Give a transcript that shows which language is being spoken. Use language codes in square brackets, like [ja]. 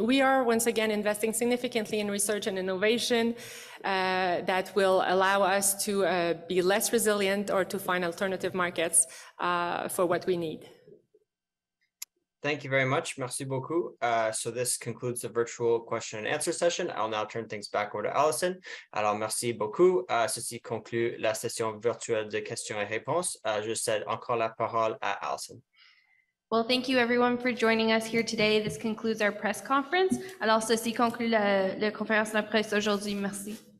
[en] We are once again investing significantly in research and innovation that will allow us to be less resilient or to find alternative markets for what we need. Thank you very much. [fr] Merci beaucoup. [en] So this concludes the virtual question and answer session. I'll now turn things back over to Alison. [fr] Alors, merci beaucoup. Ceci conclut la session virtuelle de questions et réponses. Je cède encore la parole à Alison. [en] Well, thank you everyone for joining us here today. This concludes our press conference. [fr] Alors, ceci conclut la conférence de la presse aujourd'hui. Merci.